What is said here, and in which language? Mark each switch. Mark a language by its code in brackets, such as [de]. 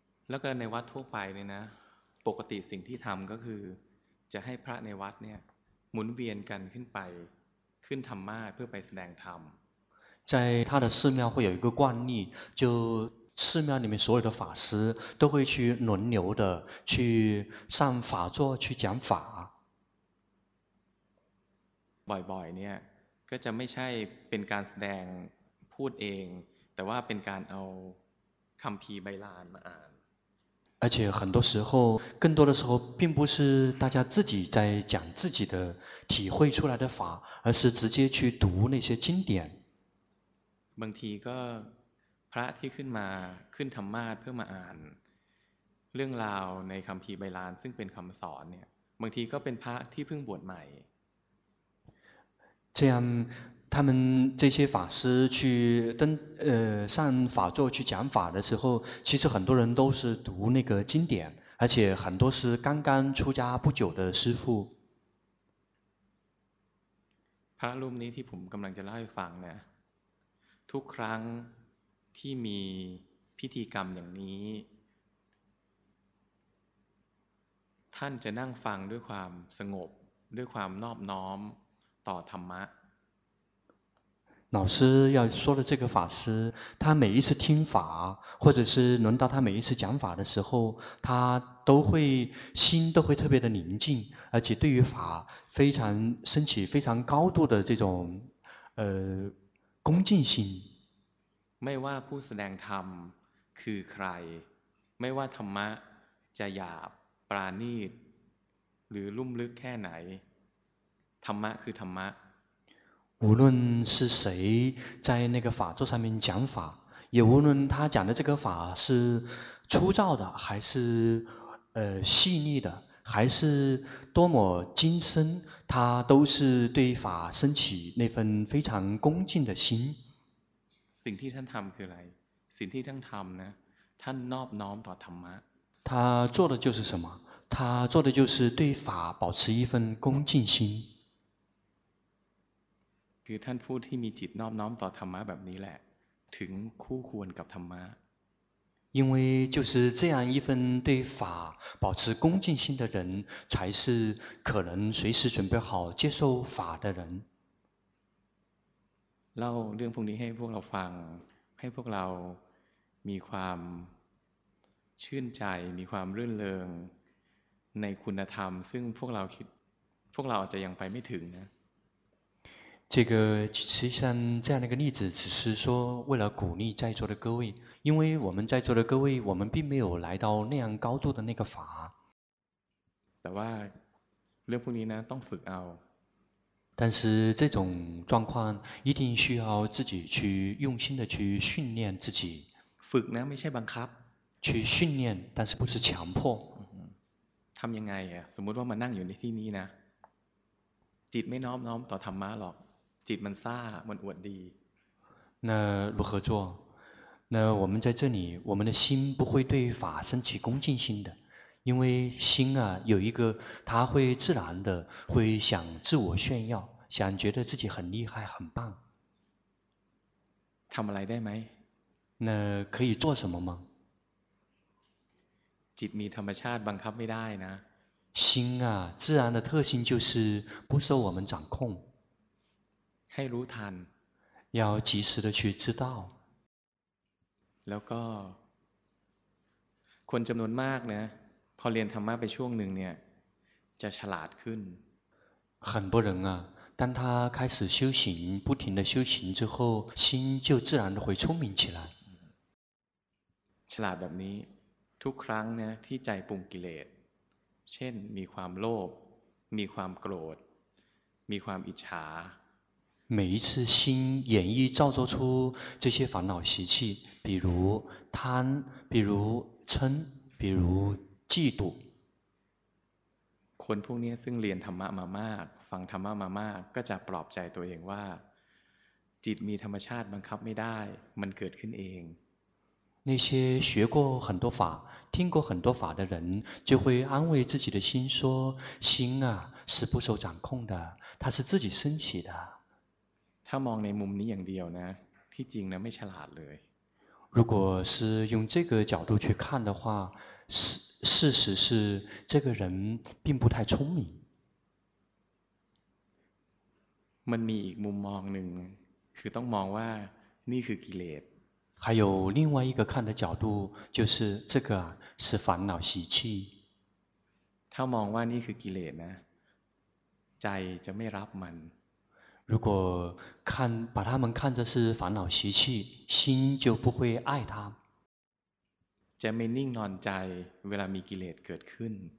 [th] แล้วก็ในวัดทั่วไปเนี่ยนะปกติสิ่งที่ทำก็คือจะให้พระในวัดเนี่ยหมุนเวียนกันขึ้นไปขึ้นธรรมาสเพื่อไปแสดงธรรม [zh] 在他的寺庙会有一个惯例就寺庙里面所有的法师都会去轮流的去上法座去讲法 [th] บ่อยๆเนี่ยก็จะไม่ใช่เป็นการแสดงพูดเองแต่ว่าเป็นการเอาคัมภีร์ไบลานมาอ่าน [zh] 而且很多时候更多的时候并不是大家自己在讲自己的体会出来的法而是直接去读那些经典 [th] บางทีก็พระที่ขึ้นมาขึ้นธรรมาสเพื่อมาอ่านเรื่องราวในคัมภีร์ไบลานซึ่งเป็นคำสอนเนี่ยบางทีก็เป็นพระที่เพิ่งบวชใหม่ [zh] 这样他们这些法师去登上法座去讲法的时候其实很多人都是读那个经典而且很多是刚刚出家不久的师父 [th] พระรูปนี้ที่ผมกำลังจะเล่าให้ฟังนะทุกครั้งที่มีพิธีกรรมอย่างนี้ท่านจะนั่งฟังด้วยความสงบด้วยความนอบน้อมต่อธรรมะ [zh] 老师要说的这个法师他每一次听法或者是轮到他每一次讲法的时候他都会心都会特别的宁静而且对于法非常升起非常高度的这种恭敬心 [th] ไม่ว่าผู้แสดงธรรมคือใครไม่ว่าธรรมะจะหยาบปราณีตหรือลุ่มลึกแค่ไหนธรรมะคือธรรมะ [zh] 无论是谁在那个法座上面讲法也无论他讲的这个法是粗糙的还是细腻的还是多么精深他都是对法升起那份非常恭敬的心 [th] สิ่งที่ท่านทำคืออะไรสิ่งที่ท่านทำนะท่านนอบน้อมต่อธรรมะ [zh] 他做的就是什么他做的就是对法保持一份恭敬心 [th] คือท่านผู้ที่มีจิตน้อมน้อมต่อธรรมะแบบนี้แหละถึงคู่ควรกับธรรมะ [zh] 因为就是这样一份对法保持恭敬心的人才是可能随时准备好接受法的人 [th] เล่าเรื่องพวกนี้ให้พวกเราฟังให้พวกเรามีความชื่นใจมีความรื่นเริง ในคุณธรรมซึ่งพวกเราคิดพวกเราจะยังไปไม่ถึงนะ [zh] 这个实际上这样的一个例子只是说为了鼓励在座的各位，因为我们在座的各位我们并没有来到那样高度的那个法。 [th] แต่ว่าเรื่องพวกนี้นะต้องฝึกเอา [zh] 但是这种状况一定需要自己去用心的去训练自己。 [th] ฝึกนะไม่ใช่บังคับ [zh] 去训练但是不是强迫。 [th] ทำยังไงอ่ะสมมติว่ามานั่งอยู่ในที่นี้นะจิตไม่น้อมน้อมต่อธรรมะหรอกจิตมันซ่ามันอวดดี [zh] 那如何做那我们在这里我们的心不会对法升起恭敬心的因为心啊有一个他会自然的会想自我炫耀想觉得自己很厉害很棒 [th] ทำอะไรได้ไหม [zh] 那可以做什么吗 [th] จิตมีธรรมชาติบังคับไม่ได้นะ [zh] 心啊自然的特性就是不受我们掌控 [th] ให้รู้ทัน [zh] 要及时的去知道 [th] แล้วก็คนจำนวนมากนะพอเรียนธรรมะไปช่วงหนึ่งเนี่ยจะฉลาดขึ้น [zh] 很多人啊当他开始修行不停的修行之后心就自然的会聪明起来 [th] ฉลาดแบบนี้ทุกครั้งนะที่ใจปรุงกิเลสเช่นมีความโลภมีความโกรธมีความอิจฉา [zh] 每一次心演绎造作出这些烦恼习气比如贪比如嗔比如嫉妒 [th] คนพวกนี้ซึ่งเรียนธรรมะมามากฟังธรรมะมามากก็จะปลอบใจตัวเองว่าจิตมีธรรมชาติบังคับไม่ได้มันเกิดขึ้นเอง [zh] 那些学过很多法听过很多法的人就会安慰自己的心说心啊是不受掌控的它是自己升起的 [th] ถ้ามองในมุมนี้อย่างเดียวนะที่จริงนะไม่ฉลาดเลย [zh] 如果是用这个角度去看的话事实是这个人并不太聪明 [th] มันมีอีกมุมมองหนึ่งคือต้องมองว่านี่คือกิเลส [zh] 还有另外一个看的角度就是这个是烦恼习气 [th] ถ้ามองว่านี่คือกิเลสนะใจจะไม่รับมัน [zh] 如果看把他们看着是烦恼习气心就不会爱他 [th] จะไม่นิ่งนอนใจเวลามีกิเลสเกิดขึ้น